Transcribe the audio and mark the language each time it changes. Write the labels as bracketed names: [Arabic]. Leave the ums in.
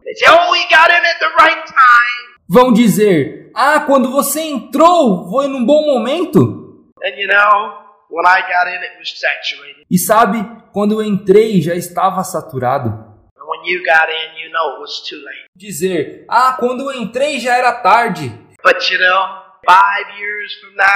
[English] Say, oh, we got in at the right time. [Portuguese] Vão dizer: Ah, quando você entrou, foi num bom momento. [English] And you know, When I got in, it was saturated. [Portuguese] E sabe, quando eu entrei, já estava saturado. [English] When you got in, you know it was too late. [Portuguese] Dizer, ah, quando eu entrei, já era tarde. [English] But you know, five years from